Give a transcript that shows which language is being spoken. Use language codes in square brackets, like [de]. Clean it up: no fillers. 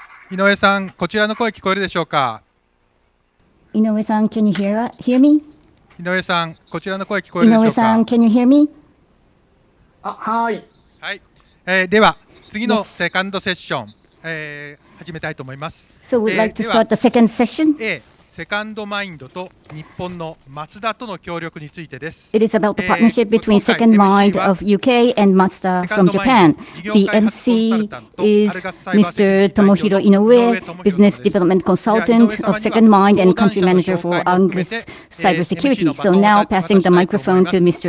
[ja] 井上さん、こちらの声聞こえるでしょうか。 [en] 井上さん、can you hear me? [ja] 井上さん、こちらの声聞こえるでしょうか。 [en] 井上さん、can you hear me? [ja] あ、はい。はい。では、次のセカンドセッション、始めたいと思います。 [en] So we'd like to start the second session? [ja] セカンドマインドと日本のマツダとの協力についてです。 [en] It is about the partnership between Second Mind of UK and Mazda from Japan. The MC is Mr. Tomohiro Inoue, Business Development Consultant of Second Mind and Country Manager for Angus Cybersecurity. So now passing the microphone to Mr.